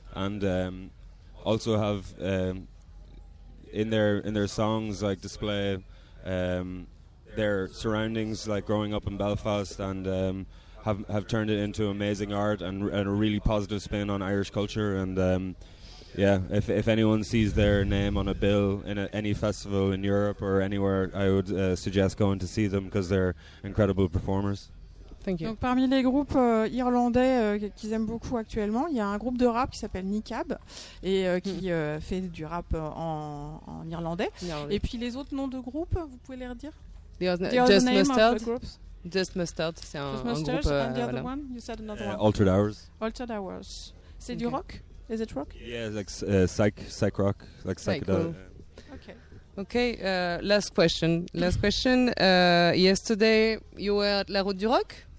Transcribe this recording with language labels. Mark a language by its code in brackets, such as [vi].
[en] And also have in their songs like display their surroundings, like growing up in Belfast, and have turned it into amazing art and a really positive spin on Irish culture. And if anyone sees their name on a bill in any festival in Europe or anywhere, I would suggest going to see them because they're incredible performers. Thank you. [fr] Donc parmi les groupes irlandais qu'ils aiment beaucoup actuellement, il y a un groupe de rap qui s'appelle Kneecap et qui fait du rap en irlandais. Et puis les autres noms de groupes, vous pouvez les redire? Just Mustard, c'est un groupe. [en] Just Mustard, and the other one, you said another one. Altered Hours. [fr] Altered Hours. C'est okay. Du rock? [en] Is it rock? Yeah, it's like psych rock, like psychedelic. Cool. Okay. Okay, last question. Last question. Yesterday, you were at La Route du Rock.